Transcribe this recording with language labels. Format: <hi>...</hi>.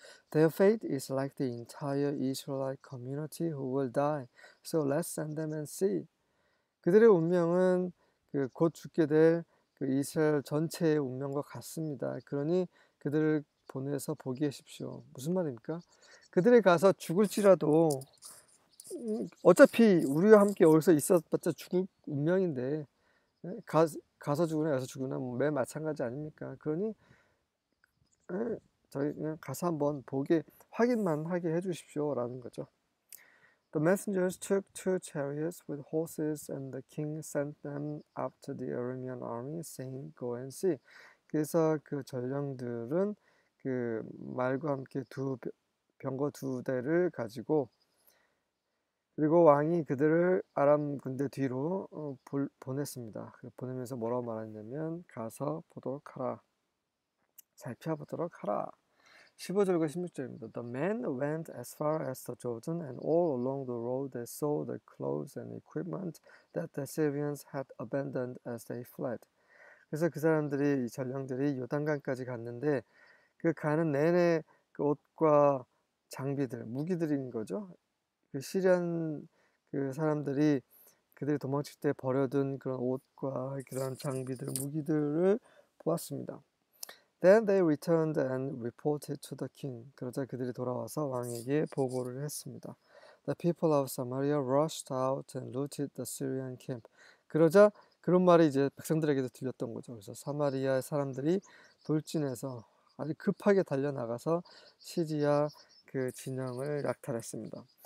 <en>Their fate is like the entire Israelite community who will die. So let's send them and see.</en> <ko>그들의 운명은 그곧 죽게 될그 이스라엘 전체의 운명과 같습니다. 그러니 그들을 보내서 보게 하십시오. 무슨 말입니까? 그들이 가서 죽을지라도 어차피 우리와 함께 여기서 있어봤자 죽을 운명인데 가서 죽으나 여기서 죽으나 뭐매 마찬가지 아닙니까? 그러니 저희 그냥 가서 한번 보게 확인만 하게 해주십시오라는 거죠.</ko> <en>The messengers took two chariots with horses, and the king sent them after the Aramean army, saying, "Go and see."</en> <ko>그래서 그 전령들은 그 말과 함께 두 병거 두 대를 가지고 그리고 왕이 그들을 아람 군대 뒤로 보냈습니다. 보내면서 뭐라고 말했냐면 가서 보도록 하라. 살펴보도록 하라. 15절과 16절입니다.</ko> <en>The men went as far as the Jordan and all along the road they saw the clothes and equipment that the Syrians had abandoned as they fled.</en> <ko>그래서 그 사람들이 이 전령들이 요단강까지 갔는데 그 가는 내내 그 옷과 장비들, 무기들인 거죠. 그 시리안 그 사람들이 그들이 도망칠 때 버려둔 그런 옷과 그런 장비들, 무기들을 보았습니다.</ko> <en>Then they returned and reported to the king.</en> <ko>그러자 그들이 돌아와서 왕에게 보고를 했습니다.</ko> <en>The people of Samaria rushed out and looted the Syrian camp.</en> <ko>그러자 그런 말이 이제 백성들에게도 들렸던 거죠. 그래서 사마리아의 사람들이 돌진해서 아주 급하게 달려 나가서 시리아 그 진영을 약탈했습니다.</ko>